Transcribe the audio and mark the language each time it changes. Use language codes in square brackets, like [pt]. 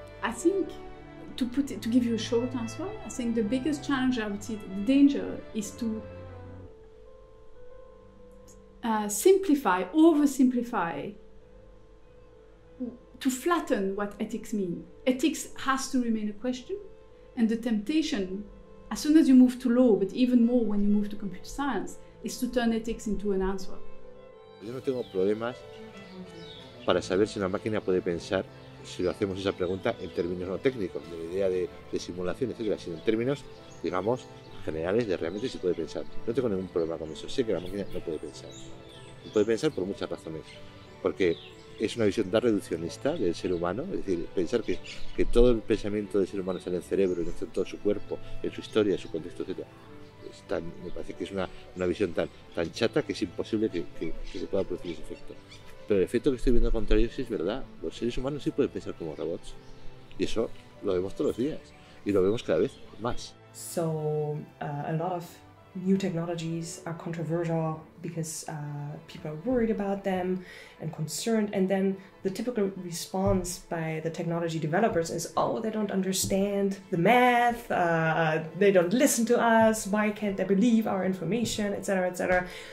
[en] I think, to give you a short answer, I think the biggest challenge, I would say the danger, is to simplify, oversimplify, to flatten what ethics mean. Ethics has to remain a question, and the temptation, as soon as you move to law, but even more when you move to computer science, is to turn ethics into an answer. [es] Yo no tengo problemas para saber si una máquina puede pensar si lo hacemos esa pregunta en términos no técnicos, de la idea de simulación, etcétera, sino en términos, digamos, generales de realmente si puede pensar. No tengo ningún problema con eso. Sé que la máquina no puede pensar. No puede pensar por muchas razones. Porque es una visión tan reduccionista del ser humano, es decir, pensar que todo el pensamiento del ser humano está en el cerebro, y no está en todo su cuerpo, en su historia, en su contexto, etcétera. Me parece que es una visión tan chata que es imposible que se pueda producir ese efecto. Pero el efecto que estoy viendo al contrario sí es verdad. Los seres humanos sí pueden pensar como robots. Y eso lo vemos todos los días. Y lo vemos cada vez más. [en] So, a lot of new technologies are controversial because people are worried about them and concerned. And then the typical response by the technology developers is, oh, they don't understand the math, they don't listen to us, why can't they believe our information, etc., etc.